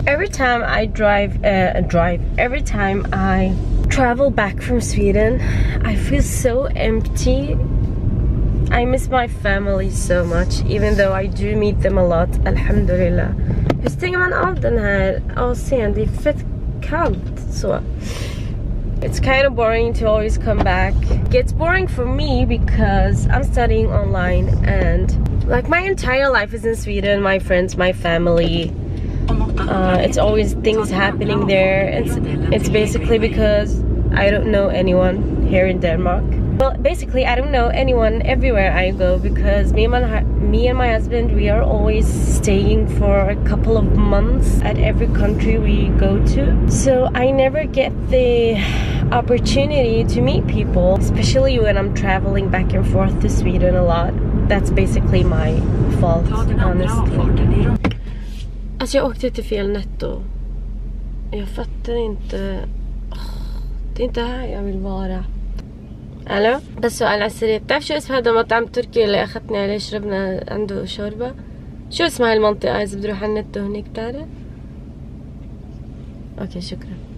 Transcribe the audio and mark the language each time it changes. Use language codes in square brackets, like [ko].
[en] Every time I drive, every time I travel back from Sweden, I feel so empty. I miss my family so much, even though I do meet them a lot, alhamdulillah. [sv] Hur stänger man av den här avseende? Det är fett kallt så. [en] It's kind of boring to always come back. It gets boring for me because I'm studying online and like my entire life is in Sweden, my friends, my family. It's always things happening there. It's basically because I don't know anyone here in Denmark. Well, basically I don't know anyone everywhere I go because me and my husband, we are always staying for a couple of months at every country we go to. So I never get the opportunity to meet people, especially when I'm traveling back and forth to Sweden a lot. That's basically my fault, honestly. [sv] Alltså jag åkte till fel netto. Jag fattar inte. Det är inte här jag vill vara. [ar] Hallå? بس سؤال عسري. بتعرف شو اسم هذا المطعم التركي اللي اخذتني عليه شربنا عنده شوربة؟ شو اسم هاي المنطقة اذا بدي اروح على النتو هناك بتعرف؟ اوكي شكرا.